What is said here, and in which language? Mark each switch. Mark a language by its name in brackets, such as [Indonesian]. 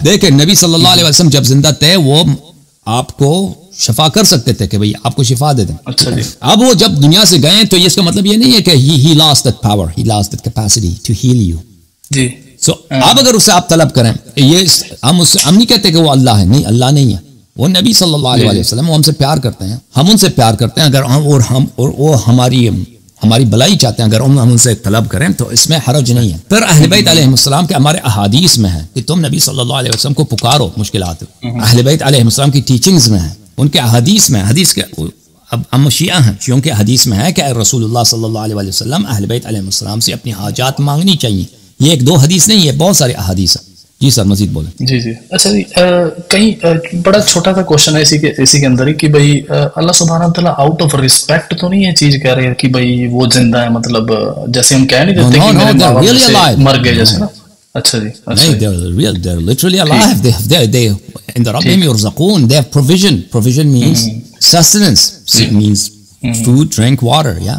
[Urdu] Dekhe, Nabi sallallahu alayhi wa sallam jab zinda tha, wo aap ko شفا کر سکتے تھے کہ بھئی آپ کو شفا دے دیں اچھا اب وہ جب دنیا سے گئے تو اس کا مطلب یہ نہیں ہے کہ [English] he lost that power he lost that capacity to heal you [Urdu] جی so اب اگر اسے آپ طلب کریں ہم نہیں کہتے کہ وہ اللہ ہے نہیں اللہ نہیں ہے وہ نبی صلی اللہ علیہ وسلم وہ ہم سے پیار کرتے ہیں ہم ان سے پیار کرتے ہیں اگر ہم اور وہ ہماری بلائی چاہتے ہیں اگر ہم ان سے طلب کریں تو اس میں حرج نہیں ہے پھر اہل بیت علیہ السلام کے ہمارے احادیث میں ہے کہ تم نبی صلی اللہ علیہ وسلم کو پکارو مشکلات اہل بیت علیہ السلام کی ٹیچنگز میں ہے ان کے احادیث میں حدیث کے اب ہم شیعہ ہیں شیعوں کے حدیث میں ہے کہ رسول اللہ صلی اللہ علیہ وسلم اہل بیت علیہ السلام سے اپنی حاجات مانگنی چاہیے یہ ایک دو حدیث نہیں ہے بہت سارے احادیث ہیں جی سر مزید بولیں جی جی اچھا جی کہیں بڑا چھوٹا سا کوشچن ہے اسی کے اندر ہی کہ بھائی اللہ سبحانہ تعالیٰ آؤٹ آف ریسپیکٹ تو نہیں یہ چیز کہہ رہے کہ بھائی وہ زندہ ہے مطلب جیسے ہم کہہ نہیں دیتے کہ میرے باپ جیسے مر گئے جیسے نا اچھا جی [English] they're literally alive they in the [Arabic] ربهم يرزقون [English] they have provision means sustenance it means food drink water